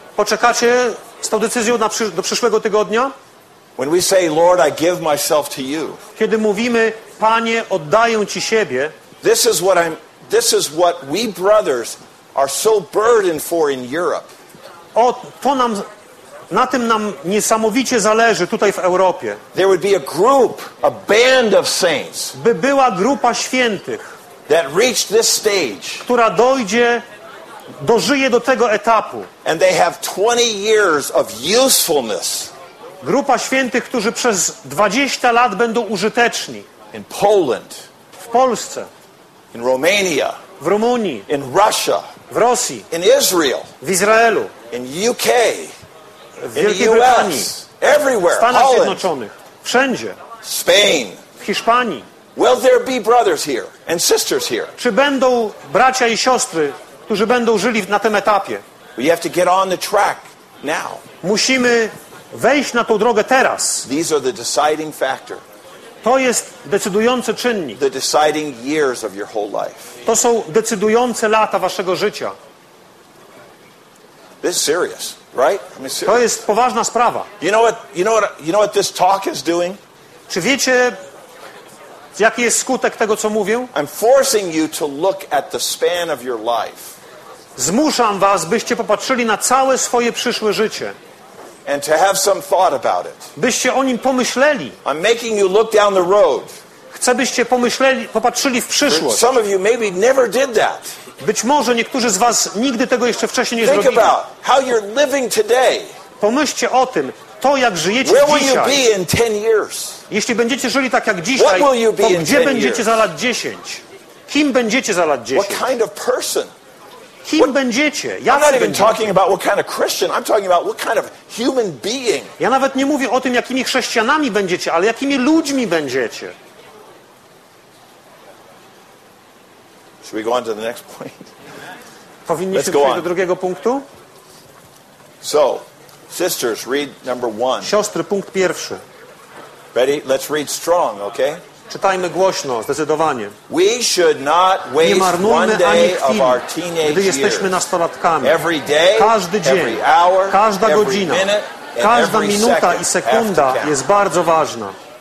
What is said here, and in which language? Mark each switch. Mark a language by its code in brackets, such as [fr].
[pl] Poczekacie z tą decyzją do przyszłego tygodnia? [en] When we say, Lord, I give myself to you. [pl] Kiedy mówimy, Panie, oddaję Ci siebie. [en] This is what we brothers are so burdened for in Europe. [pl] O, to nam, na tym nam niesamowicie zależy tutaj w Europie. [en] There would be a group, a band of saints. [pl] By była grupa świętych. [en] That reached this stage. [pl] Która dojdzie, dożyje do tego etapu. [en] And they have 20 years of usefulness. [pl] Grupa świętych, którzy przez 20 lat będą użyteczni. [en] In Poland. [pl] W Polsce. [en] In Romania. [pl] W Rumunii. [en] In Russia. [pl] W Rosji. [en] In Israel. [pl] W Izraelu. [en] In UK. [pl] W Wielkiej Brytanii. [en] Everywhere. [pl] W Stanach [en] Holland. [pl] Zjednoczonych. Wszędzie. [en] Spain. [pl] W Hiszpanii. [en] Will there be brothers here and sisters here? [pl] Czy będą bracia i siostry, którzy będą żyli na tym etapie? [en] We have to get on the track now. [pl] Musimy wejść na tą drogę teraz. [en] These are the deciding factor. [pl] To jest decydujący czynnik. [en] The deciding years of your whole life. [pl] To są decydujące lata waszego życia. [en] This is serious, right? I mean, serious. [pl] To jest poważna sprawa. [en] You know what this talk is doing? [pl] Czy wiecie, jaki jest skutek tego, co mówię? [en] I'm forcing you to look at the span of your life. [pl] Zmuszam was, byście popatrzyli na całe swoje przyszłe życie. [en] And to have some thought about it. [pl] Byście o nim pomyśleli. [en] I'm making you look down the road. [pl] Chcę, byście pomyśleli, popatrzyli w przyszłość. [en] Some of you maybe never did that. [pl] Być może niektórzy z was nigdy tego jeszcze wcześniej nie [en] think [pl] zrobili. [en] About how you're living today. [pl] Pomyślcie o tym, to jak żyjecie [en] where [pl] dzisiaj. [en] Will you be in 10 years? [pl] Jeśli będziecie żyli tak jak dzisiaj, [en] what will you be [pl] to [en] in [pl] gdzie będziecie [en] years? [pl] Za lat 10? Kim będziecie za lat 10? [en] What kind of person? [pl] Kim będziecie? [en] I'm not even [pl] będziecie? [en] Talking about what kind of Christian. I'm talking about what kind of human being. [pl] Ja nawet nie mówię o tym, jakimi chrześcijanami będziecie, ale jakimi ludźmi będziecie. [en] Should we go on to the next point? [pl] Powinniśmy przejść do drugiego punktu? [en] So, sisters, read number one. [pl] Siostry, punkt pierwszy. [en] Ready? Let's read strong, okay? [pl] Czytajmy głośno, zdecydowanie. [en] We should not waste [pl] nie marnujmy [en] one day [pl] ani chwili, [en] of our teenage [pl] gdy jesteśmy nastolatkami. [en] Every day, [pl] każdy dzień, [en] every hour, [pl] każda godzina, [en] minute, [pl] Każda minuta i sekunda jest bardzo ważna.